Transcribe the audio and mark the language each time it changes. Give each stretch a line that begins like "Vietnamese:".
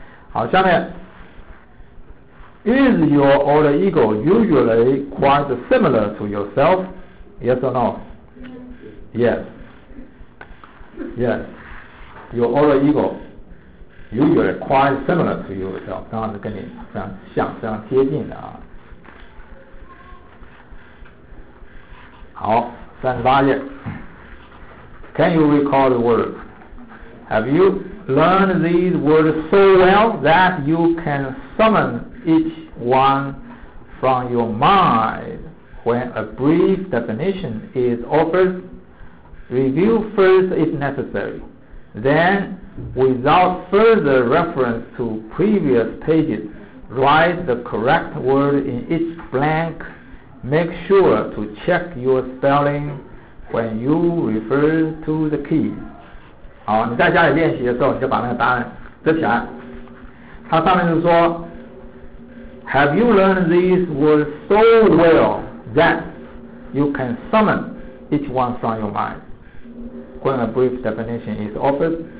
Chinese: 好，下面
English: ，Is your alter ego usually quite similar to yourself? Yes or no? Yes. Yes. Your alter ego usually quite similar to yourself.
Chinese: 当然是跟你非常像、非常接近的啊。好，38页。
English: Can you recall the words? Have you learned these words so well that you can summon each one from your mind when a brief definition is offered? Review first if necessary. Then, without further reference to previous pages, write the correct word in each blank. Make sure to check your spellingWhen you refer to the key.
Chinese: 好，你在家里练习的时候，你就把那个答案遮起来。它上面就是说
English: Have you learned these words so well that you can summon each one from your mind when a brief definition is offered?